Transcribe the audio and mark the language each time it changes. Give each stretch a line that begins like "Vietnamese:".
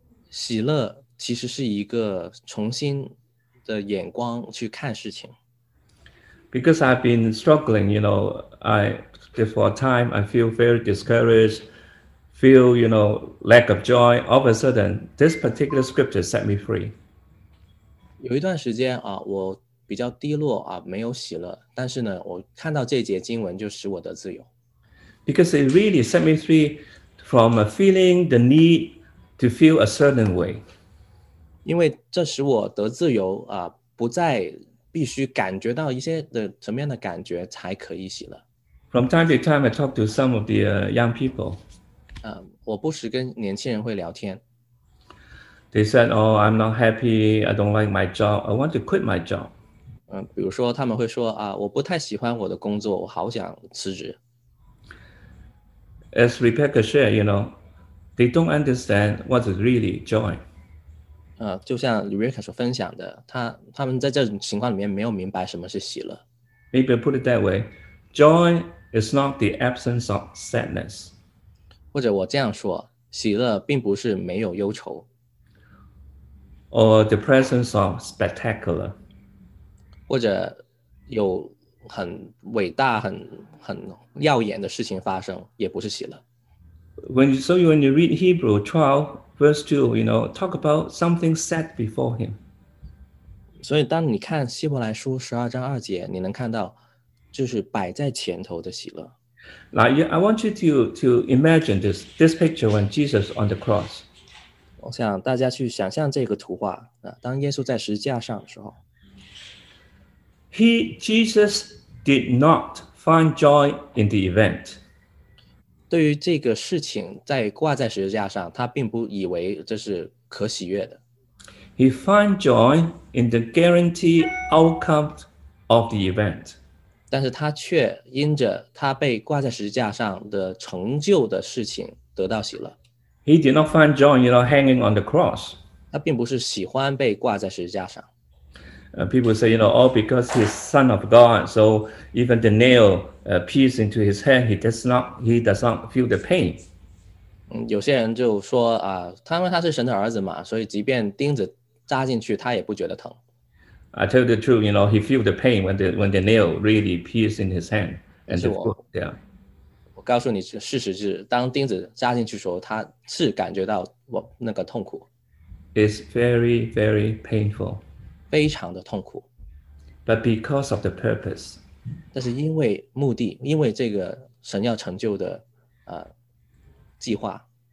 Chinese: 喜乐其实是一个重新。的眼光去看事情。
English: Because I've been struggling, you know, for a time I feel very discouraged, feel, you know, lack of joy. All of a sudden, this particular scripture set me free.
Chinese: 有一段时间我比较低落没有喜乐，但是呢，我看到这节经文就使我得自由。
English: Because it really set me free from a feeling the need to feel a certain way.
Chinese: 因为这使我得自由不再必须感觉到一些的什么样的感觉才可以喜乐。
English: From time to time, I talk to some of the young people.
Chinese: 我不时跟年轻人会聊天。
English: They said, "Oh, I'm not happy. I don't like my job. I want to quit my job."
Chinese: 比如说他们会说我不太喜欢我的工作，我好想辞职。
English: As Rebecca shared, you know, they don't understand what is really joy.
Chinese: 就像 Rebecca 所分享的，他们在这种情况里面没有明白什么是喜乐。
English: Maybe I put it that way, joy is not the absence of sadness.
Chinese: 或者我这样说，喜乐并不是没有忧愁。
English: Or the presence of spectacular.
Chinese: 或者有很伟大、很耀眼的事情发生，也不是喜乐。
English: When you read Hebrew 12:2, you know, talk about something set before him.
Chinese: 所以当你看希伯来书12:2，你能看到就是摆在前头的喜乐。
English: Now, I want you to imagine this picture when Jesus on the cross.
Chinese: 我想大家去想象这个图画，当耶稣在十字架上的时候。
English: Jesus did not find joy in the event.
Chinese: 对于这个事情在挂在十字架上，他并不以为这是可喜悦的。
English: He found joy in the guaranteed outcome of the event.
Chinese: 但是他却因着他被挂在十字架上的成就的事情得到喜乐。
English: He did not find joy, you know, hanging on the cross.
Chinese: 他并不是喜欢被挂在十字架上。
English: People say, you know, oh, because he's son of God, so even the nail pierced into his hand, he does not feel the pain.
Chinese: 有些人就说啊，因为他是神的儿子嘛，所以即便钉子扎进去，他也不觉得疼。
English: I tell the truth, you know, he feel the pain when the nail really pierced in his hand and the foot. Yeah.
Chinese: 我告诉你，事实是当钉子扎进去的时候，他是感觉到我那个痛苦。
English: It's very, very painful.
Chinese: 非常的痛苦。
English: But because of the purpose.
Chinese: 但是因为目的，因为这个神要成就的计划。